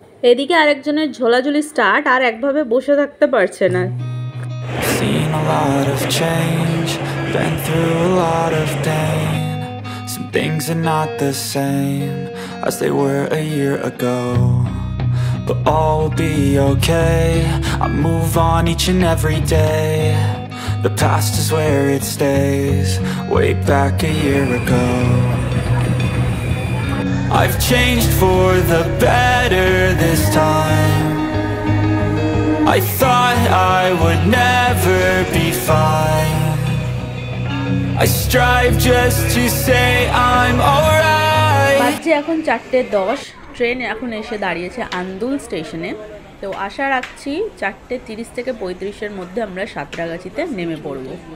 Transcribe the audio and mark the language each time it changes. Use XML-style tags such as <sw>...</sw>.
<bn>এদিকে আরেকজনের ঝোলাঝুলি স্টার্ট, আর একভাবে বসে থাকতে পারছে না।</bn> <en>Seen a lot of change, been through a lot of pain. Some things are not the same as they were a year ago. But all will be okay, I move on each and every day. The past is where it stays, way back a year ago. I've changed for the better this time. I thought I would never be fine. I strive just to say I'm alright.</en> <bn>বাজে এখন 4:10, train এখন এসে দাঁড়িয়েছে আন্দুল স্টেশনে। তো আশা রাখছি 4:30 থেকে 35-এর মধ্যে আমরা সাতরাগাছিতে নেমে পড়ব।</bn>